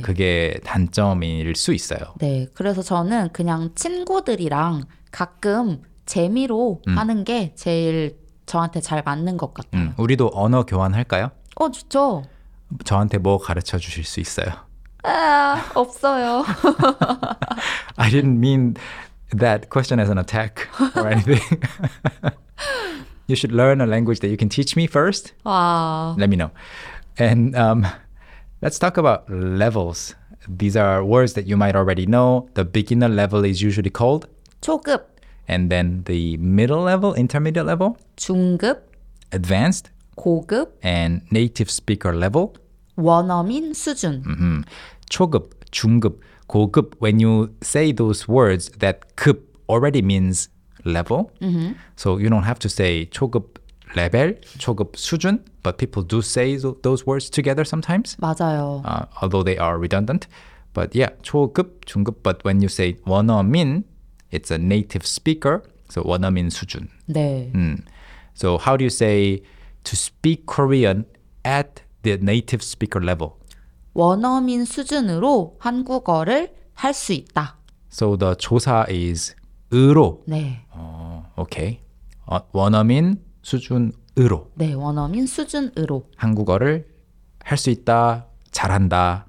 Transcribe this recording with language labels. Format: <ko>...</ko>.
<ko>그게 단점일 수 있어요. 네. 그래서 저는 그냥 친구들이랑 가끔 재미로 하는 게 제일 저한테 잘 맞는 것 같아요. 우리도 언어 교환할까요? 좋죠. 저한테 뭐 가르쳐 주실 수 있어요? 없어요.</ko> <en>I didn't mean that question as an attack or anything. You should learn a language that you can teach me first. Let me know. And let's talk about levels. These are words that you might already know. The beginner level is usually called?</en> <ko>초급.</ko> <en>And then the middle level, intermediate level.</en> <ko>중급.</ko> <en>Advanced.</en> <ko>고급.</ko> <en>And native speaker level.</en> <ko>원어민 수준. Mm-hmm. 초급, 중급, 고급.</ko> <en>When you say those words, that 급 already means level. Mm-hmm. So you don't have to say</en> <ko>초급 레벨, 초급 수준.</ko> <en>But people do say those words together sometimes.</en> <ko>맞아요.</ko> <en>Although they are redundant. But yeah,</en> <ko>초급, 중급.</ko> <en>But when you say 원어민, it's a native speaker. So</en> <ko>원어민 수준. 네.</ko> <en>So how do you say to speak Korean at the native speaker level?</en> <ko>원어민 수준으로 한국어를 할 수 있다.</ko> <en>So the 조사 is 으로.</en> <ko>네. Okay. 원어민 수준으로. 네, 원어민 수준으로. 한국어를 할 수 있다, 잘한다.</ko>